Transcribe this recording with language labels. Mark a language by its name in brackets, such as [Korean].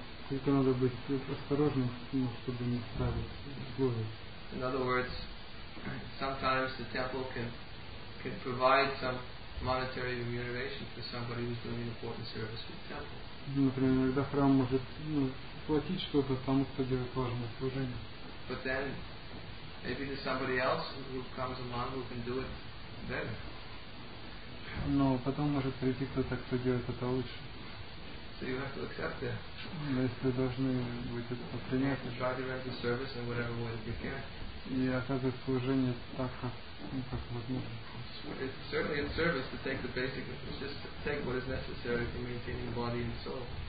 [Russian] Только надо быть осторожным, чтобы не ставить условия. [English] In other words, sometimes the temple can provide some monetary remuneration for somebody who's doing an important service for the temple. [Russian] Например, иногда храм может платить что-то тому, кто делает важное служение. [English] But then maybe there's somebody else who comes along who can do it better. [Russian] Но потом может прийти кто-то, кто делает это лучше. [English] So you have to accept that. [Russian] Но если должны быть это принять. [English] You try to render service in whatever way you can. [Russian] И оказывать служение так, как возможно. [English] Certainly in service to take the basic, just take what is necessary for maintaining body and soul.